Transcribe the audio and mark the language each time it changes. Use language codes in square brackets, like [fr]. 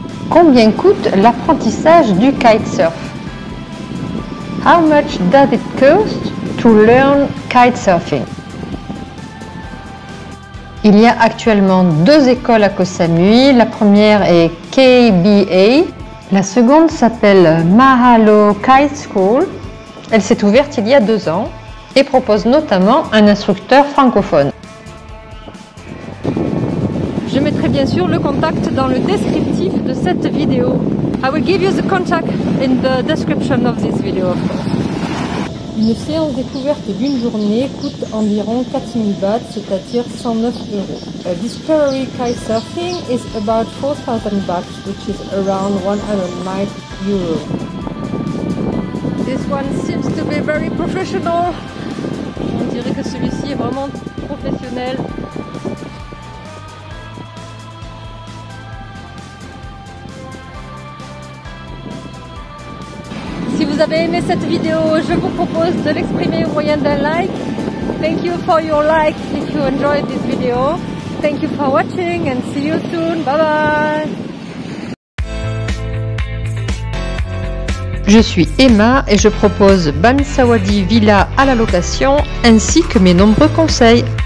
[fr] Combien coûte l'apprentissage du kitesurf? [en] How much does it cost to learn kitesurfing? [fr] Il y a actuellement deux écoles à Koh Samui. La première est KBA. La seconde s'appelle Mahalo Kite School. Elle s'est ouverte il y a deux ans et propose notamment un instructeur francophone. Je mettrai bien sûr le contact dans le descriptif de cette vidéo. [en] I will give you the contact in the description of this video. [fr] Une séance découverte d'une journée coûte environ 4000 baht, c'est-à-dire 109 euros. [en] A discovery kitesurfing is about 4000 baht, which is around 109 euros. This one seems to be very professional. [fr] On dirait que celui-ci est vraiment professionnel. Si vous avez aimé cette vidéo, je vous propose de l'exprimer au moyen d'un like. [en] Thank you for your like if you enjoyed this video. Thank you for watching and see you soon. Bye bye. [fr] Je suis Emma et je propose Ban Sawadi Villa à la location ainsi que mes nombreux conseils.